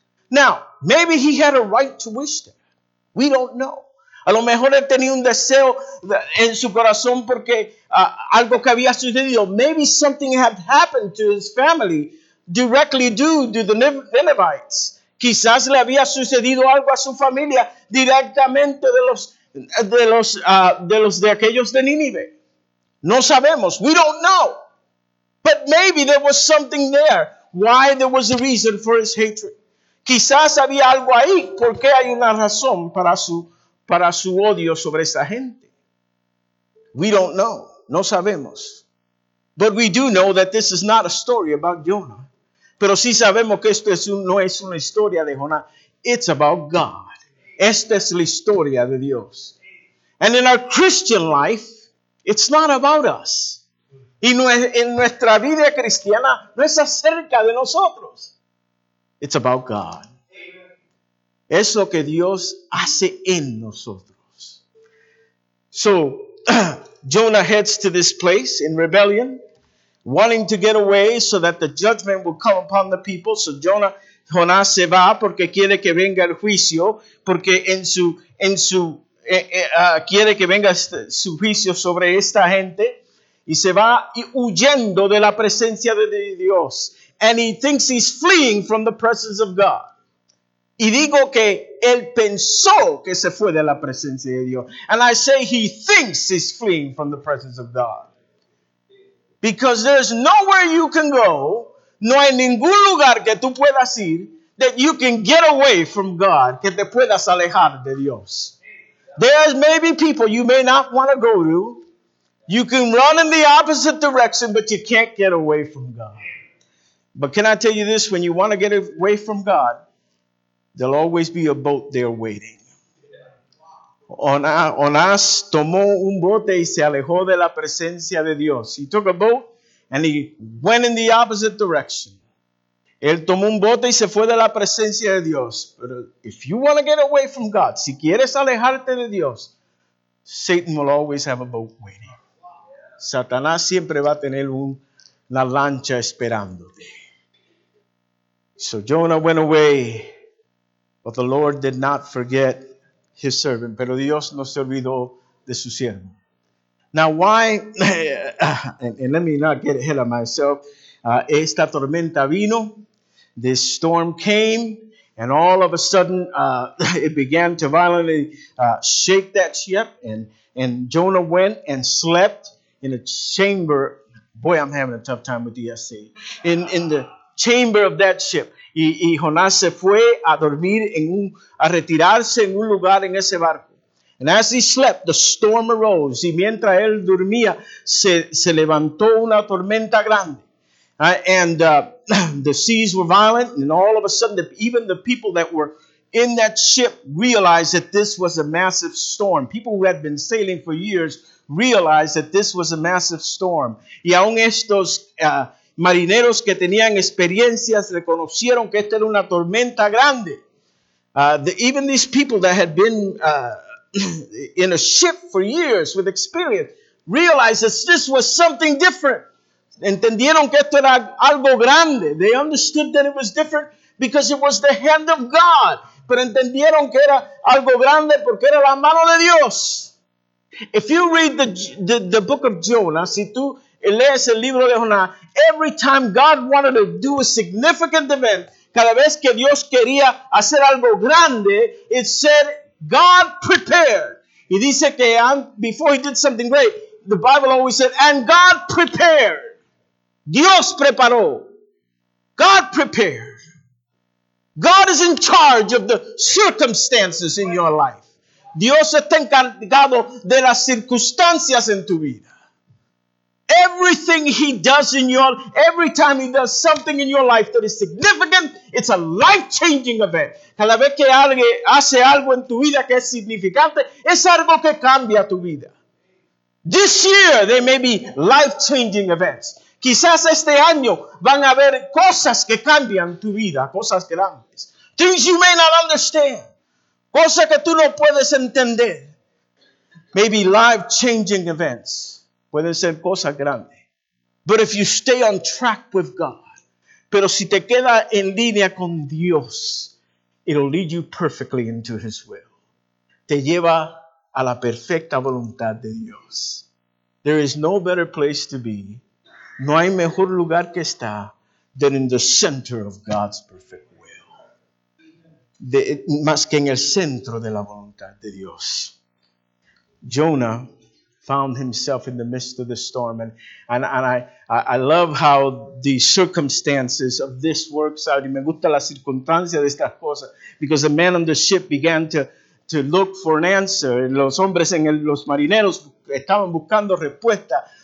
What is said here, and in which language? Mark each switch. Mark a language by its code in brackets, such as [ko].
[en] Now, maybe he had a right to wish that. We don't know. [es] A lo mejor él tenía un deseo en su corazón porque algo que había sucedido. [en] Maybe something had happened to his family directly due to the Ninevites. [es] Quizás le había sucedido algo a su familia directamente de aquellos de Nínive. No sabemos. [en] We don't know. But maybe there was something there. Why there was a reason for his hatred. [es] Quizás había algo ahí. ¿Por qué hay una razón para su odio sobre esa gente? [en] We don't know. [es] No sabemos. [en] But we do know that this is not a story about Jonah. [es] Pero sí sabemos que esto no es una historia de Jonah. [en] It's about God. [es] Esta es la historia de Dios. [en] And in our Christian life, it's not about us. [es] Y en nuestra vida cristiana, no es acerca de nosotros. [en] It's about God. [es] Eso que Dios hace en nosotros. [en] So, Jonah heads to this place in rebellion, wanting to get away so that the judgment will come upon the people. [es] So Jonah se va porque quiere que venga el juicio, porque quiere que venga su juicio sobre esta gente, y se va huyendo de la presencia de Dios. [en] And he thinks he's fleeing from the presence of God. [es] Y digo que él pensó que se fue de la presencia de Dios. [en] And I say he thinks he's fleeing from the presence of God. Because there's nowhere you can go, [es] no hay ningún lugar que tú puedas ir, [en] that you can get away from God, [es] que te puedas alejar de Dios. [en] There may be people you may not want to go to. You can run in the opposite direction, but you can't get away from God. But can I tell you this? When you want to get away from God, there'll always be a boat there waiting. [es] Onás tomó un bote y se alejó de la presencia de Dios. [en] He took a boat and he went in the opposite direction. [es] Él tomó un bote y se fue de la presencia de Dios. [en] But if you want to get away from God, [es] si quieres alejarte de Dios, [en] Satan will always have a boat waiting. [es] Satanás siempre va a tener una lancha esperándote. [en] So Jonah went away, but the Lord did not forget his servant. [es] Pero Dios no se olvidó de su siervo. [en] Now, why, and let me not get ahead of myself, [es] esta tormenta vino, [en] this storm came, and all of a sudden it began to violently shake that ship, and Jonah went and slept in a chamber. Boy, I'm having a tough time with the SC. In the chamber of that ship. [es] Y Jonás se fue a dormir, a retirarse en un lugar en ese barco. [en] And as he slept, the storm arose. [es] Y mientras él dormía, se levantó una tormenta grande. [en] The seas were violent. And all of a sudden, even the people that were in that ship realized that this was a massive storm. People who had been sailing for years realized that this was a massive storm. [es] Y aún estos marineros que tenían experiencias reconocieron que esta era una tormenta grande. [en] Even these people that had been in a ship for years with experience realized that this was something different. [es] Entendieron que esto era algo grande. [en] They understood that it was different because it was the hand of God. [es] Pero entendieron que era algo grande porque era la mano de Dios. [en] If you read the book of Jonah, [es] si tú lees el libro de Jonah, [en] every time God wanted to do a significant event, [es] cada vez que Dios quería hacer algo grande, [en] it said God prepared. [es] Y dice que [en] before he did something great, the Bible always said, and God prepared. [es] Dios preparó. [en] God prepared. God is in charge of the circumstances in your life. [es] Dios está encargado de las circunstancias en tu vida. [en] Everything he does in your, every time he does something in your life that is significant, it's a life-changing event. [es] Cada vez que alguien hace algo en tu vida que es significante, es algo que cambia tu vida. [en] This year, there may be life-changing events. [es] Quizás este año van a haber cosas que cambian tu vida, cosas grandes. [en] Things you may not understand. [es] Cosas que tú no puedes entender. [en] Maybe life-changing events. [es] Pueden ser cosas grandes. [en] But if you stay on track with God, [es] pero si te quedas en línea con Dios, [en] it'll lead you perfectly into His will. [es] Te lleva a la perfecta voluntad de Dios. [en] There is no better place to be. [es] No hay mejor lugar que está [en] than in the center of God's perfect will. [es] Más que en el centro de la voluntad de Dios. [en] Jonah found himself in the midst of the storm. And I love how the circumstances of this works out. [es] Y me gusta la circunstancia de estas cosas. [en] Because the man on the ship began to look for an answer. [es] Los hombres, los marineros, estaban buscando respuesta.